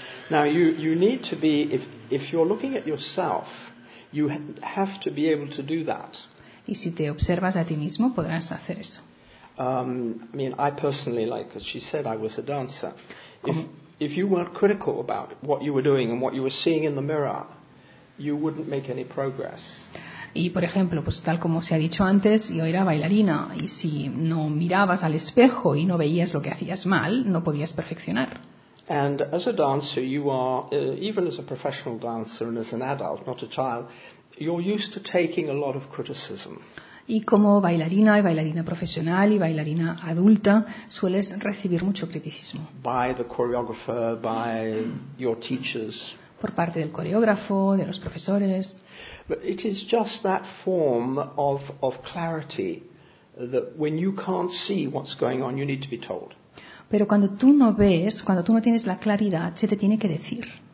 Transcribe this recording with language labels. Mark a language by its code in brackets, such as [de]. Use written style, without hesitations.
[en] Now you need to be if you're looking at yourself, you have to be able to do that. [es] Y si te observas a ti mismo, podrás hacer eso. [en] I mean, I personally, like as she said, I was a dancer. If you weren't critical about what you were doing and what you were seeing in the mirror, you wouldn't make any progress. [es] Y por ejemplo, pues tal como se ha dicho antes, yo era bailarina y si no mirabas al espejo y no veías lo que hacías mal, no podías perfeccionar. [en] And as a dancer, you are, even as a professional dancer and as an adult, not a child, you're used to taking a lot of criticism. [es] Y como bailarina, y bailarina profesional y bailarina adulta, sueles recibir mucho criticismo. [en] By the choreographer, by your teachers. [es] Por parte del coreógrafo, de los profesores. [en] But it is just that form of clarity that when you can't see what's going on, you need to be told. [es] Pero cuando tú no ves, cuando tú no tienes la claridad, se te tiene que decir.